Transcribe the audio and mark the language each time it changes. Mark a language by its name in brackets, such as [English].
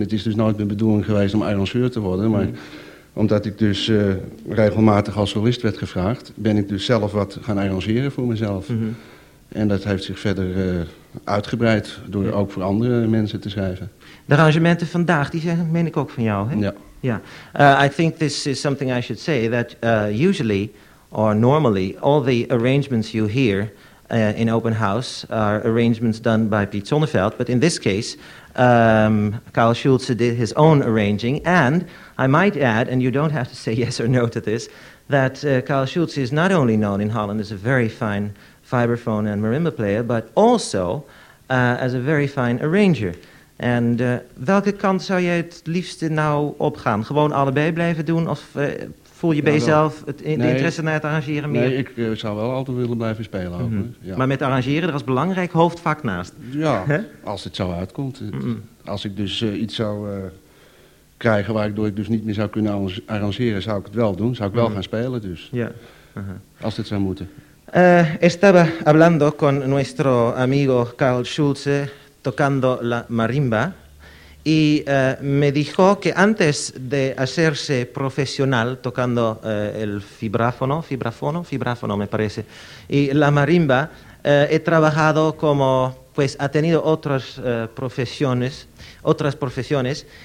[Dutch] Het is dus nooit mijn bedoeling geweest om arrangeur te worden, maar omdat ik dus regelmatig als solist werd gevraagd, ben ik dus zelf wat gaan arrangeren voor mezelf. Mm-hmm. En dat heeft zich verder uitgebreid door ook voor andere mensen te schrijven. De arrangementen vandaag, die zijn, meen ik ook van jou, hè? Ja. [English] Yeah, I think this is something I should say, that usually, or normally, all the arrangements you hear in Open House are arrangements done by Piet Sonneveld, but in this case, Carl Schulze did his own arranging, and I might add, and you don't have to say yes or no to this, that Carl Schulze is not only known in Holland as a very fine vibraphone and marimba player, but also as a very fine arranger. [Dutch] En welke kant zou jij het liefste nou opgaan? Gewoon allebei blijven doen of Voel je bij jezelf de interesse naar het arrangeren meer? Nee, ik zou wel altijd willen blijven spelen. Mm-hmm. Ja. Maar met arrangeren er als belangrijk hoofdvak naast. Ja, als het zo uitkomt. Mm-hmm. Als ik dus iets zou krijgen waardoor ik dus niet meer zou kunnen arrangeren, zou ik het wel doen. Zou ik wel gaan spelen dus. Ja. Uh-huh. Als het zou moeten. [Spanish] Estaba hablando con nuestro amigo Carl Schulze tocando la marimba. Y me dijo que antes de hacerse profesional tocando el vibráfono me parece, y la marimba, he trabajado como, pues ha tenido otras profesiones,